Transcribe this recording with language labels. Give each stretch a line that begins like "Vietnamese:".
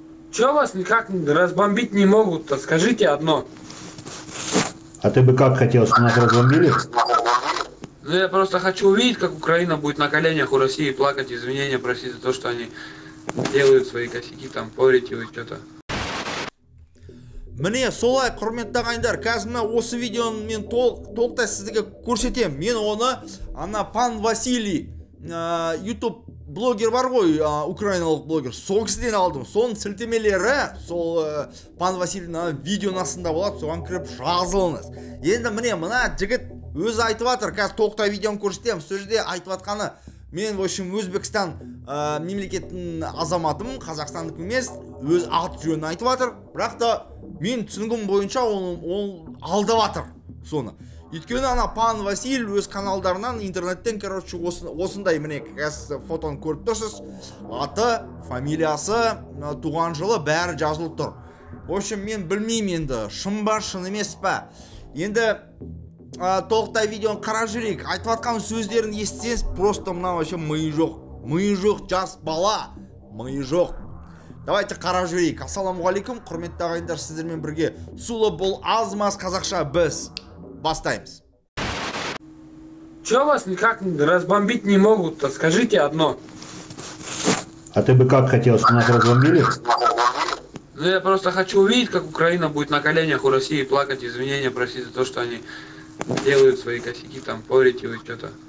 Russian: Че вас никак разбомбить не могут-то? Скажите одно. А ты бы как хотел, чтобы нас разбомбили? Ну я просто хочу увидеть, как Украина будет на коленях у России плакать, извинения просить за то, что они делают свои косяки, там, порить его и что-то.
Kazakh: Міне, солай, құрметті ағайындар, қазір мына осы видеоны мен толықтай сізге көрсетемін. Мен оны ана Пан Василий, YouTube блогер бар ғой, украиналық блогер. Сол кісіден алдым. Соның сілтемелері сол Пан Василийдің видеосында болады, соған кіріп жазылыңыз. Енді міне, мына жігіт өзі айтып отыр, қазір толықтай видеоны көрсетемін. Сол жерде айтып отқаны, мен вообще Өзбекстан мемлекетінің азаматымын, қазақстандық емес, өз аты-жөнін айтып отыр. Бірақ та мен түсінгім бойынша ол алдап атыр соны. Өйткені ана Пан Василий өз каналдарынан интернеттен короче осындай міне қазір фотоны көріп тұрсыз. Аты, фамилиясы, туған жылы бәрі жазылып тұр.
Russian: В общем,
Kazakh: мен білмеймін енді шын ба шын емес па. Енді толықтай видеоны қарап жүрейік. Айтып атқан сөздерін естісеңіз просто мына вообще миы жоқ. Миы жоқ жас бала. Миы жоқ. Давайте қарап жүрейік. Ассаламу алейкум, құрметті ағайындар, сіздермен бірге сулы бұл азмаз қазақша біз бастаймыз.
Russian: Че вас никак разбомбить не могут-то? Скажите одно. А ты бы как хотел, чтобы нас разбомбили? Ну я просто хочу увидеть, как Украина будет на коленях у России плакать, извинения просить за то, что они делают свои косяки, там, порить его и что-то.